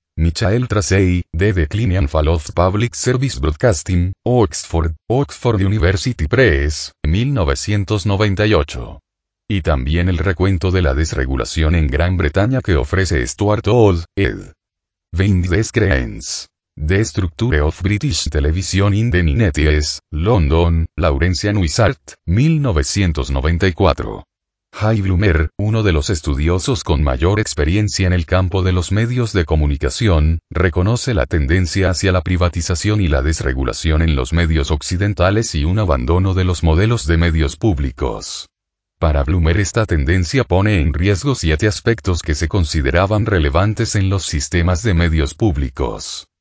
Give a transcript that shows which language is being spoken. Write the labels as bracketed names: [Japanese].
[English] Michael Tracey, The Decline and Fall of Public Service Broadcasting, Oxford, Oxford University Press, 1998. [Spanish] Y también el recuento de la desregulación en Gran Bretaña que ofrece Stuart Auld, ed. Vindes Creens. [English] The Structure of British Television in the 90s, London, Laurence and Wishart, 1994. [Spanish] Jay Bloomer, uno de los estudiosos con mayor experiencia en el campo de los medios de comunicación, reconoce la tendencia hacia la privatización y la desregulación en los medios occidentales y un abandono de los modelos de medios públicos. Para Bloomer, esta tendencia pone en riesgo siete aspectos que se consideraban relevantes en los sistemas de medios públicos.